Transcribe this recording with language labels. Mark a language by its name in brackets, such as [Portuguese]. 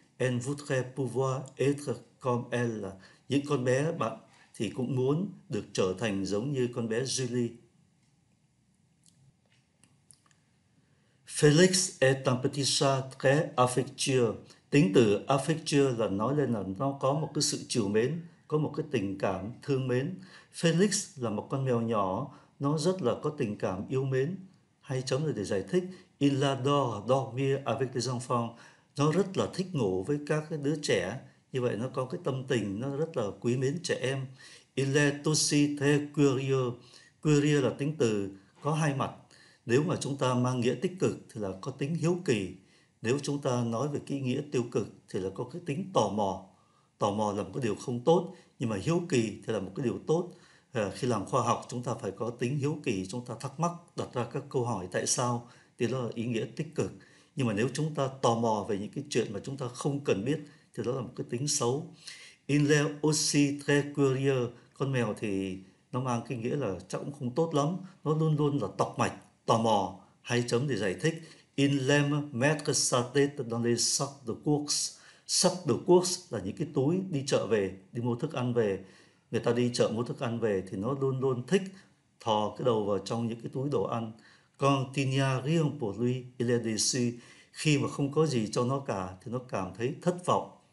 [French] Elle voudrait pouvoir être comme elle. [Vietnamese] Những con bé bạn thì cũng muốn được trở thành giống như con bé Julie. [French] Félix est un petit chat très affectueux. [Vietnamese] Tính từ affectueux là nói lên là nó có một cái sự trìu mến, có một cái tình cảm thương mến. Félix là một con mèo nhỏ, nó rất là có tình cảm yêu mến. Hai chấm là để giải thích. [French] Il adore dormir avec les enfants. [Vietnamese] Nó rất là thích ngủ với các cái đứa trẻ. Như vậy nó có cái tâm tình, nó rất là quý mến trẻ em. [French] Il est aussi très curieux. [Vietnamese] Curieux là tính từ có hai mặt. Nếu mà chúng ta mang nghĩa tích cực thì là có tính hiếu kỳ. Nếu chúng ta nói về cái nghĩa tiêu cực thì là có cái tính tò mò. Tò mò là một cái điều không tốt, nhưng mà hiếu kỳ thì là một cái điều tốt. À, khi làm khoa học chúng ta phải có tính hiếu kỳ, chúng ta thắc mắc, đặt ra các câu hỏi tại sao, thì đó là ý nghĩa tích cực. Nhưng mà nếu chúng ta tò mò về những cái chuyện mà chúng ta không cần biết thì đó là một cái tính xấu. [French] Il est aussi très curieux. [Vietnamese] Con mèo thì nó mang cái nghĩa là chắc cũng không tốt lắm, nó luôn luôn là tọc mạch, tò mò. Hai chấm để giải thích. [French] Il aime mettre sa tête dans les sacs de course. [Vietnamese] Sacs de course là những cái túi đi chợ về, đi mua thức ăn về. Người ta đi chợ mua thức ăn về thì nó luôn luôn thích thò cái đầu vào trong những cái túi đồ ăn. Còn tinha riêng của lui, [French] il est déçu. [Vietnamese] Khi mà không có gì cho nó cả thì nó cảm thấy thất vọng.